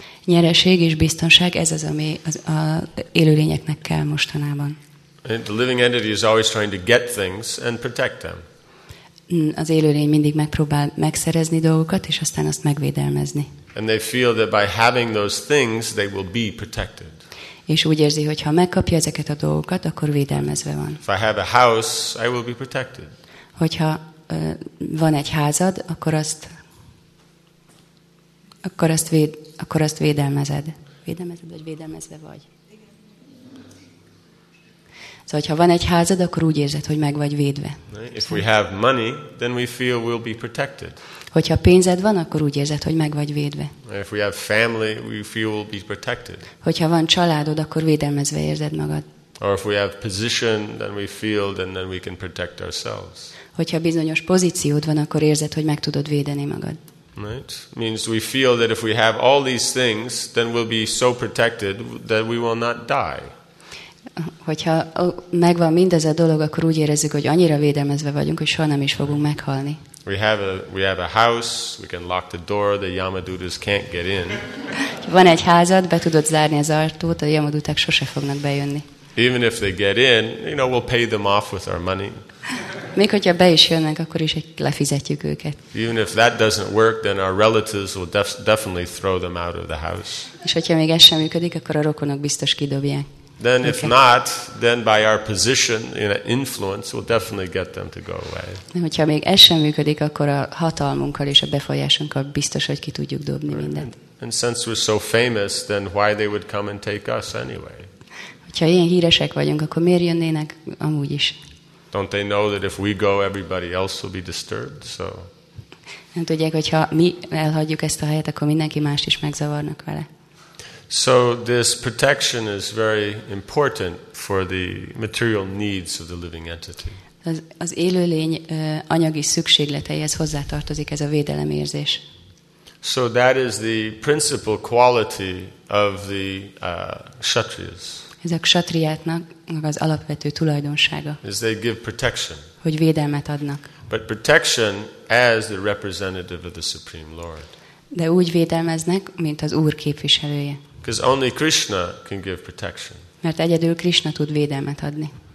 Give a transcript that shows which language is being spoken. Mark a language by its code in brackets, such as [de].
[hu] Nyereség és biztonság, ez az, ami az élőlényeknek kell mostanában. [en] And the living entity is always trying to get things and protect them. [hu] Az élőlény mindig megpróbál megszerezni dolgokat, és aztán azt megvédelmezni. [en] And they feel that by having those things, they will be protected. [hu] És úgy érzi, hogy ha megkapja ezeket a dolgokat, akkor védelmezve van. [en] If I have a house, I will be protected. [hu] Hogyha van egy házad, akkor azt védelmezed. Védelmezed, vagy védelmezve vagy. Szóval, ha van egy házad, akkor úgy érzed, hogy meg vagy védve. [en] If we have money, then we feel we'll be protected. [hu] Hogyha pénzed van, akkor úgy érzed, hogy meg vagy védve. [en] If we have family, we feel we'll be protected. [hu] Hogyha van családod, akkor védelmezve érzed magad. [en] Or if we have position, then we feel then we can protect ourselves. [hu] Hogyha bizonyos pozíciód van, akkor érzed, hogy meg tudod védeni magad. [en] Right? Means we feel that if we have all these things, then we'll be so protected that we will not die. [hu] Hogyha megvan mindez a dolog, akkor úgy érezzük, hogy annyira védelmezve vagyunk, hogy soha nem is fogunk meghalni. [en] We have a house, we can lock the door, the Yamadutas can't get in. [hu] Van egy házad, be tudod zárni az ajtót, a Yamadutak sose fognak bejönni. [en] Even if they get in, you know, we'll pay them off with our money. [hu] Még hogyha be is jönnek, akkor is lefizetjük őket. [en] Even if that doesn't work, then our relatives will definitely throw them out of the house. [hu] És hogyha még ez sem működik, akkor a rokonok biztos kidobják. [en] Then if not, then by our position, you know, influence, we'll definitely get them to go away. [hu] Hogyha még ez sem működik, akkor a hatalmunkkal és a befolyásunkkal biztos, hogy ki tudjuk dobni mindent. [en] And since we're so famous, then why they would come and take us anyway? [hu] Hogyha ilyen híresek vagyunk, akkor miért jönnének amúgy is? [en] Don't they know that if we go, everybody else will be disturbed? So. [hu] Nem tudják, hogyha mi elhagyjuk ezt a helyet, akkor mindenki mást is megzavarnak vele. [en] So this protection is very important for the material needs of the living entity. [hu] Az élőlény anyagi szükségleteihez hozzátartozik ez a védelemérzés. [en] So that is the principal quality of the kshatriyas. [hu] Ezek kshatriyáknak az alapvető tulajdonsága. [en] Is they give protection. [hu] Hogy védelmet adnak. [en] But protection as the representative of the Supreme Lord. [hu] De úgy védelmeznek, mint az Úr képviselője. [en] Because only Krishna can give protection. [hu] Mert egyedül Krishna tud védelmet adni.